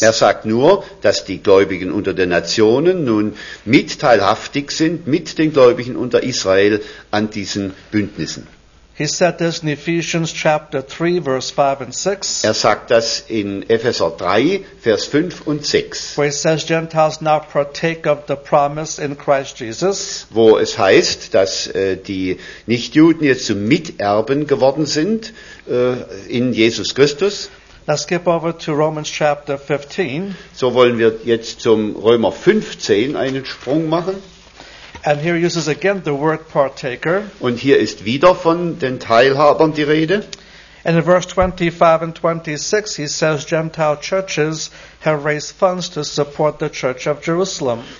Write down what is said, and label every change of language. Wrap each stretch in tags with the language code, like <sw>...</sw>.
<de>Er sagt nur, dass die Gläubigen unter den Nationen nun mitteilhaftig sind mit den Gläubigen unter Israel an diesen Bündnissen.</de> <en>He said this in Ephesians chapter 3, verse 5 and 6.</en> <de>Er sagt das in Epheser 3, Vers 5 und 6.</de> <en>Where it says Gentiles now partake of the promise in Christ Jesus.</en> <de>Wo es heißt, dass die Nichtjuden jetzt zu Miterben geworden sind in Jesus Christus.</de> <en>Now skip over to Romans chapter 15.</en> <de>So wollen wir jetzt zum Römer 15 einen Sprung machen.</de> <en>And here uses again the word partaker.</en> <de>Und hier ist wieder von den Teilhabern die Rede.</de> <en>And in verse 25 and 26 he says Gentile churches have raised funds to support the church of Jerusalem.</en>